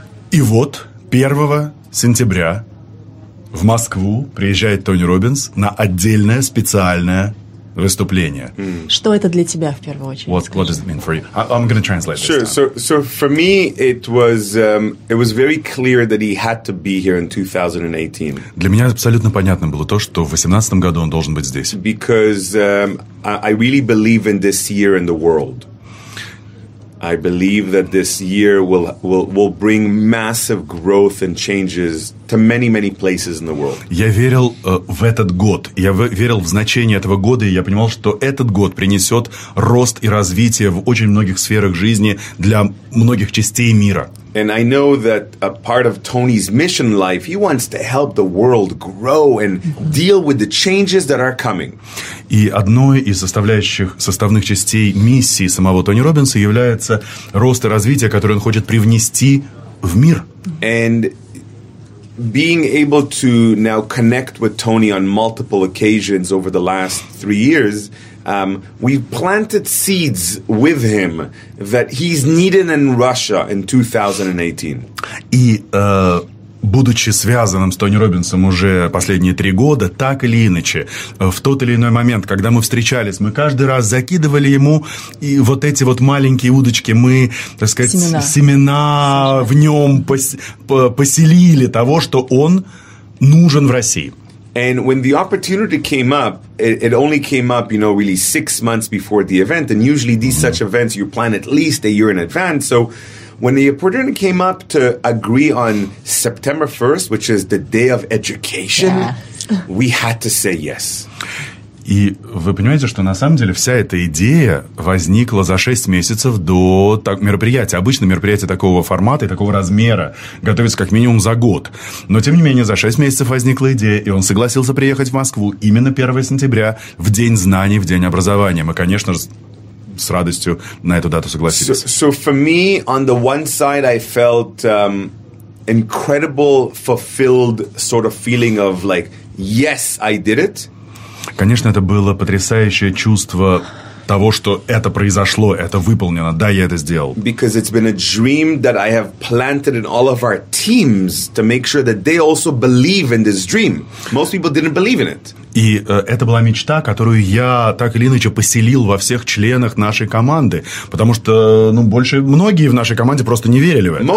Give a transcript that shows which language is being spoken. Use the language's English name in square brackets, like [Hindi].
[Russian] И вот 1 сентября в Москву приезжает Тони Робинс на отдельное специальное выступление. Mm. Что это для тебя в первую очередь? [English] What does it mean for you? I'm going to translate sure. this time. So for me, it was very clear that he had to be here in 2018. [Russian] Для меня абсолютно понятно было то, что в 2018 году он должен быть здесь. [English] Because I really believe in this year and the world. I believe that this year will bring massive growth and changes to many, many places in the world. [Russian] Я верил в этот год. Я верил в значение этого года, и я понимал, что этот год принесет рост и развитие в очень многих сферах жизни для многих частей мира. [English] And I know that a part of Tony's mission in life, he wants to help the world grow and deal with the changes that are coming. [Russian] И одной из составных частей миссии самого Тони Робинса является рост и развитие, которое он хочет привнести в мир. [English] And being able to now connect with Tony on multiple occasions over the last 3 years, we've planted seeds with him that he's needed in Russia in 2018. [Russian] И будучи связанным с Тони Робинсом уже последние 3 года, так или иначе, в тот или иной момент, когда мы встречались, мы каждый раз закидывали ему и вот эти вот маленькие удочки, мы, так сказать, семена в нем поселили того, что он нужен в России. [English] And when the opportunity came up, it only came up, you know, really 6 months before the event, and usually these such events you plan at least a year in advance, so when the opportunity came up to agree on September 1st, which is the day of education, yeah. we had to say yes. [Russian] И вы понимаете, что на самом деле вся эта идея возникла за 6 месяцев до мероприятия. Обычно мероприятие такого формата и такого размера готовится как минимум за год. Но, тем не менее, за 6 месяцев возникла идея, и он согласился приехать в Москву именно 1 сентября, в День знаний, в День образования. Мы, конечно же, с радостью на эту дату согласились. [English] So for me, on the one side, I felt incredible, fulfilled sort of feeling of like, yes, I did it. [Russian] Конечно, это было потрясающее чувство того, что это произошло, это выполнено. Да, я это сделал. [English] Because it's been a dream that I have planted in all of our teams to make sure that they also believe in this dream. Most people didn't believe in it. [Russian] И это была мечта, которую я так или иначе поселил во всех членах нашей команды, потому что, ну, больше многие в нашей команде просто не верили в это.